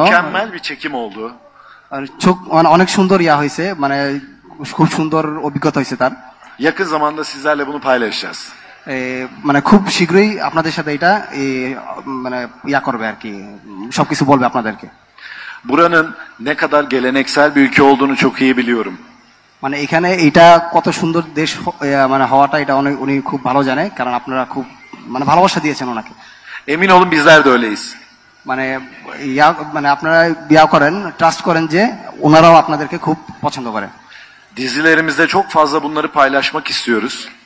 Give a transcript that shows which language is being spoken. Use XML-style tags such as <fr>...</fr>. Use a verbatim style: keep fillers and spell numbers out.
<tr>Mükemmel bir çekim oldu.</tr> <bn>আর চোখ মানে অনেক সুন্দর ইয়া হয়েছে, মানে খুব সুন্দর অভিজ্ঞতা হয়েছে তার।</bn> <tr>Yakın zamanda sizlerle bunu paylaşacağız.</tr> <bn>এ, মানে খুব শীঘ্রই আপনাদের সাথে এটা এ, মানে ইয়া করবে আর কি, সবকিছু বলবে আপনাদেরকে।</bn> <tr>Buranın ne kadar geleneksel bir ülke olduğunu çok iyi biliyorum.</tr> <bn>মানে এখানে এটা কত সুন্দর দেশ হ- এ, মানে হওয়াটা এটা অনেক উনি খুব ভালো জানে, কারণ আপনারা খুব মানে ভালোবাসা দিয়েছেন ওনাকে।</bn> <tr>Emin olun bizler de öyleyiz.</tr> <bn>মানে ইয়া মানে আপনারা ইয়া করেন, ট্রাস্ট করেন যে ওনারাও আপনাদেরকে খুব পছন্দ করে।</bn> <tr>Dizilerimizde çok fazla bunları paylaşmak istiyoruz.</tr>